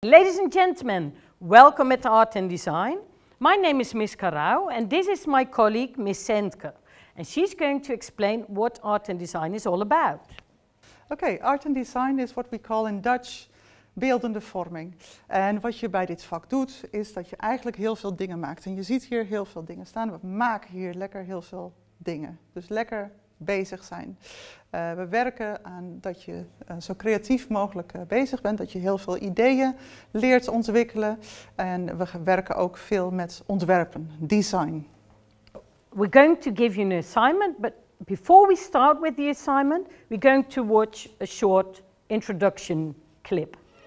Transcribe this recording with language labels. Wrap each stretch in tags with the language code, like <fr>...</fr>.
<en>Ladies and gentlemen, welcome at Art and Design. My name is Miss Karau and this is my colleague Miss Sendke, and she's going to explain what art and design is all about. Okay, art and design is what we call in Dutch beeldende vorming.</en> <nl>En wat je bij dit vak doet, is dat je eigenlijk heel veel dingen maakt. En je ziet hier heel veel dingen staan. We maken hier lekker heel veel dingen. Dus lekker bezig zijn. We werken aan dat je zo creatief mogelijk bezig bent, dat je heel veel ideeën leert ontwikkelen. En we werken ook veel met ontwerpen, design.</nl> <en>We're going to give you an assignment, but before we start with the assignment, we're going to watch a short introduction clip.</en>